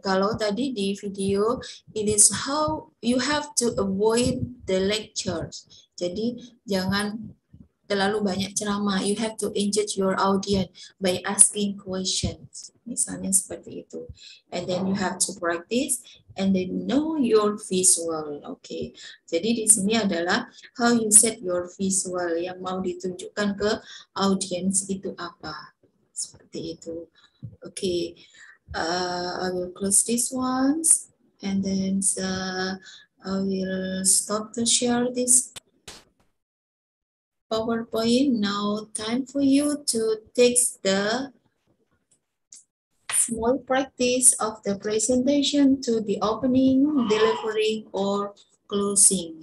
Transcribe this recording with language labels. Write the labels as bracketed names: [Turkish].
[Indonesian] Kalau tadi di video, [English] it is how you have to avoid the lectures. [Indonesian] Jadi jangan terlalu banyak ceramah, [English] you have to engage your audience by asking questions, [Indonesian] misalnya seperti itu. [English] And then you have to practice and then know your visual. [Indonesian] Okay, jadi di sini adalah [English] how you set your visual [Indonesian] yang mau ditunjukkan ke audience itu apa, seperti itu. [English] Okay, I will close this one and then I will stop to share this PowerPoint. Now time for you to take the small practice of the presentation to the opening, delivering, or closing.